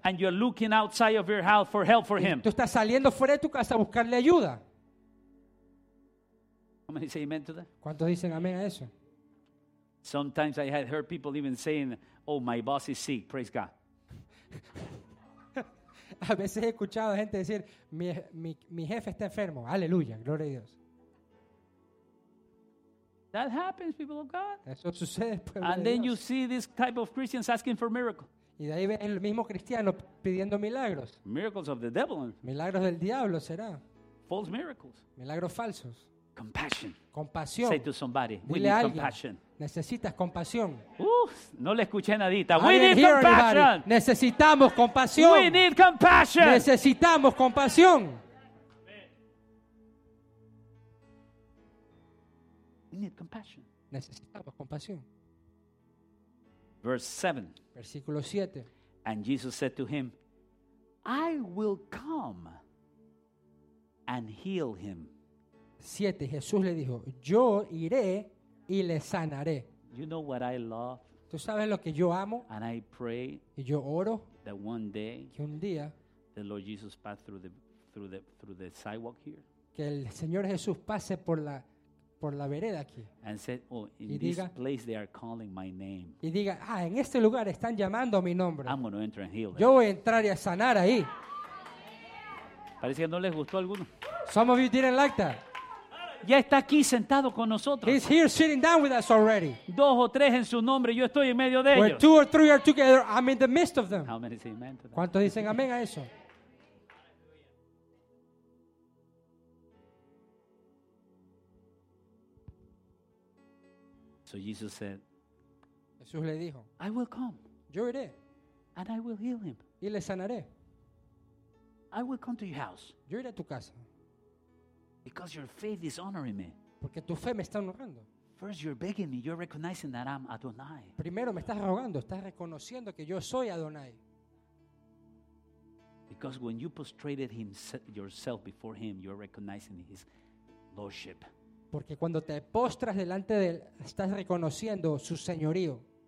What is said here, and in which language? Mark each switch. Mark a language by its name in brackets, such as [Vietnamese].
[English] and you're looking outside of your house for help for him. [Spanish] Tú estás saliendo fuera de tu casa a buscarle ayuda. [English] How many say amen to that? [Spanish] ¿Cuántos dicen amén a eso? [English] Sometimes I had heard people even saying, "Oh, my boss is sick, praise God." [Spanish] A veces he escuchado a gente decir, mi jefe está enfermo, aleluya, gloria a Dios. [English] That happens, people of God. [Spanish] Eso sucede, pueblo [English] and [Spanish] de [English] then [Spanish] Dios. [English] You see this type of Christians asking for miracles. [Spanish] Y de ahí ves el mismo cristiano pidiendo milagros. [English] Miracles of the devil. [Spanish] Milagros del diablo será. [English] False miracles. [Spanish] Milagros falsos. [English] Compassion. [Spanish] Compasión. [English] Say to somebody, [Spanish] dile [English] we need [Spanish] a alguien, [English] compassion. [Spanish] Necesitas compasión. No le escuché nadita. [English] We need compassion. [Spanish] Necesitamos compasión. [English] We need compassion. [Spanish] Necesitamos compasión. [English] We need compassion. [Spanish] Necesitamos compasión. [English] Verse 7. [Spanish] Versículo 7. [English] And Jesus said to him, "I will come and heal him." [Spanish] 7. Jesús le dijo, "Yo iré y le sanaré." [English] You know what I love? [Spanish] ¿Tú sabes lo que yo amo? [English] And I pray. [Spanish] Y yo oro. [English] That one day. [Spanish] Que un día. [English] The Lord Jesus passed through the sidewalk here. [Spanish] Que el Señor Jesús pase por la vereda aquí. [English] And said, "Oh, in this place they are calling my name." [Spanish] Y diga, "Ah, en este lugar están llamando mi nombre." [English] I'm going to enter and heal them. [Spanish] Yo voy a entrar y a sanar ahí. Parece que no les gustó a alguno. [English] Some of you didn't like that. [Spanish] Ya está aquí sentado con nosotros. [English] He's here sitting down with us already. [Spanish] Dos o tres en su nombre, yo estoy en medio de ellos. [English] Where two or three are together, I'm in the midst of them. How many say amen to that? [Spanish] ¿Cuántos dicen amén a eso? [English] So Jesus said, [Spanish] Jesús le dijo, [English] "I will come, [Spanish] yo iré, [English] and I will heal him, [Spanish] y le sanaré. [English] I will come to your house, [Spanish] yo iré a tu casa, [English] because your faith is honoring me, [Spanish] porque tu fe me está honrando. [English] First you're begging me, you're recognizing that I'm Adonai. [Spanish] Primero me estás rogando, estás reconociendo que yo soy Adonai. [English] Because when you prostrated yourself before him, you're recognizing his lordship." [Spanish] Porque cuando te postras delante de él, estás reconociendo su señorío.